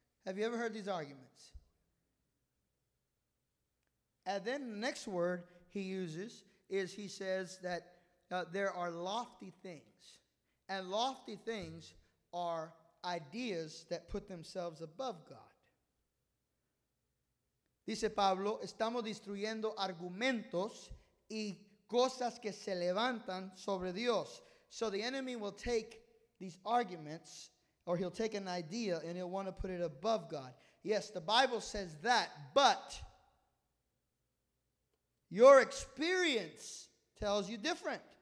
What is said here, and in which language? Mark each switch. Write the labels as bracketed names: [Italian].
[English] Have you ever heard these arguments? And then the next word he uses is he says that there are lofty things. And lofty things are ideas that put themselves above God. [Spanish] Dice Pablo, estamos destruyendo argumentos y cosas que se levantan sobre Dios. [English] So the enemy will take these arguments, or he'll take an idea and he'll want to put it above God. Yes, the Bible says that, but your experience tells you different.